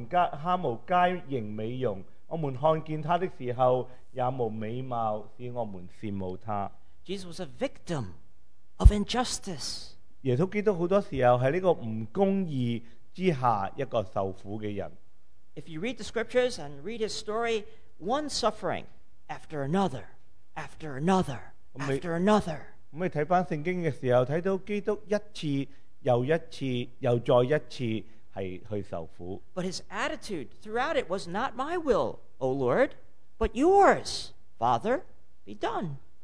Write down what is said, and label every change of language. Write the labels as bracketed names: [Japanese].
[Chinese] 在之前那半節他說，他們哈無佳形美容， 我們看見他的時候也無美貌，使我們羨慕他。 [English] Jesus was a victim of injustice. [Chinese] 耶穌基督很多時候在這個不公義之下一個受苦的人。 [English] If you read the scriptures and read his story, one suffering after another, after another, after another. [Chinese] 我們看聖經的時候，看到基督一次又一次又再一次去受苦。 [English] But his attitude throughout it was not my will, O Lord, but yours, Father, be done.